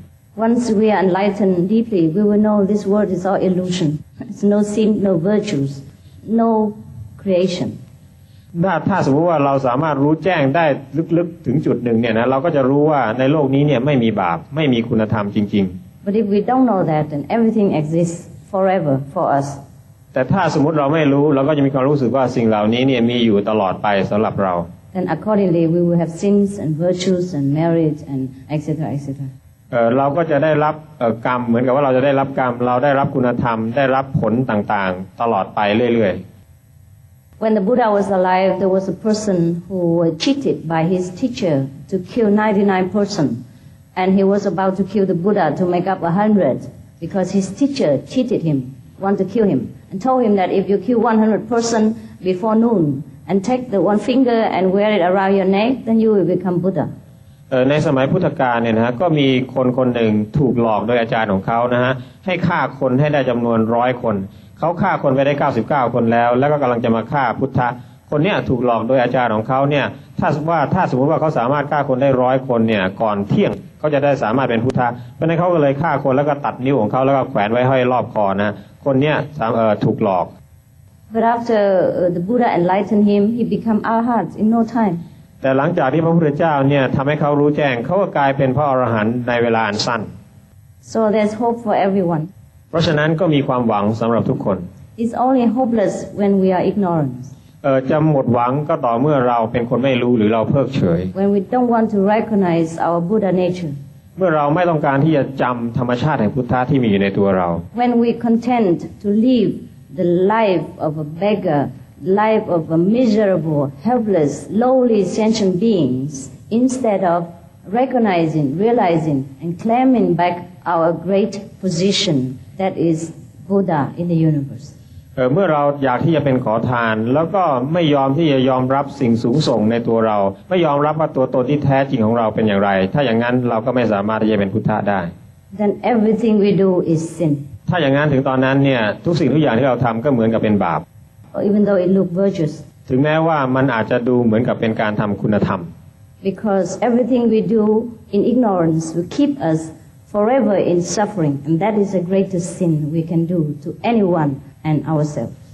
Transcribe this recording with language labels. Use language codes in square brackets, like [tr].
[en] Once we are enlightened deeply, we will know this world is all illusion. It's no sin, no virtues, no creation. [th] ถ้าสมมติว่าเราสามารถรู้แจ้งได้ลึกๆถึงจุดหนึ่งเนี่ยนะเราก็จะรู้ว่าในโลกนี้เนี่ยไม่มีบาปไม่มีคุณธรรมจริง [en] ๆ But if we don't know that, then everything exists forever for us. [th] แต่ถ้าสมมติเราไม่รู้เราก็จะมีความรู้สึกว่าสิ่งเหล่านี้เนี่ยมีอยู่ตลอดไปสำหรับเรา [en] Then accordingly we will have sins and virtues and merit and etc etc [th] เราก็จะได้รับกรรมเหมือนกับว่าเราจะได้รับกรรมเราได้รับคุณธรรมได้รับผลต่างๆตลอดไปเรื่อย [en] ๆ When the Buddha was alive there was a person who was cheated by his teacher to kill 99 person and he was about to kill the Buddha to make up 100 because his teacher cheated him want to kill himAnd told him that if you kill 100 person before noon and take the one finger and wear it around your neck, then you will become Buddha. [th] ในสมัยพุทธกาลเนี่ยนะฮะก็มีคนคนหนึ่งถูกหลอกโดยอาจารย์ของเขานะฮะให้ฆ่าคนให้ได้จำนวน100คนเขาฆ่าคนไปได้99คนแล้วแล้วก็กำลังจะมาฆ่าพุทธะคนเนี้ยถูกหลอกโดยอาจารย์ของเขาเนี่ยถ้าสมมติว่าเขาสามารถฆ่าคนได้100คนเนี่ยก่อนเที่ยงเขาจะได้สามารถเป็นพุทธะเพราะนั้นเขาก็เลยฆ่าคนแล้วก็ตัดนิ้วของเขาแล้วก็แขวนไว้ห้อยรอบคอนะคนเนี้ยถูกหลอก [en] But after the Buddha enlightened him, he become arahant in no time. [th] แต่หลังจากที่พระพุทธเจ้าเนี่ยทำให้เขารู้แจ้งเขาก็กลายเป็นพระอรหันต์ในเวลาอันสั้น [en] So there's hope for everyone. [th] เพราะฉะนั้นก็มีความหวังสำหรับทุกคน [en] It's only hopeless when we are ignorant. [th] จะหมดหวังก็ต่อเมื่อเราเป็นคนไม่รู้หรือเราเพิกเฉย [en] When we don't want to recognize our Buddha nature. [th] เมื่อเราไม่ต้องการที่จะจำธรรมชาติแห่งพุทธะที่มีอยู่ในตัวเรา [en] When we content to live the life of a beggar, life of a miserable, helpless, lowly sentient beings, instead of recognizing, realizing, and claiming back our great position that is Buddha in the universe. [th] เมื่อเราอยากที่จะเป็นขอทานแล้วก็ไม่ยอมที่จะยอมรับสิ่งสูงส่งในตัวเราไม่ยอมรับว่าตัวตนที่แท้จริงของเราเป็นอย่างไรถ้าอย่างนั้นเราก็ไม่สามารถที่จะเป็นพุทธะได้ [en] Then everything we do is sin [th] ถ้าอย่างนั้นถึงตอนนั้นเนี่ยทุกสิ่งทุกอย่างที่เราทำก็เหมือนกับเป็นบาป [en] Even though it look virtuous [th] ถึงแม้ว่ามันอาจจะดูเหมือนกับเป็นการทำคุณธรรม [en] Because everything we do in ignorance will keep us forever in suffering and that is the greatest sin we can do to anyoneand ourselves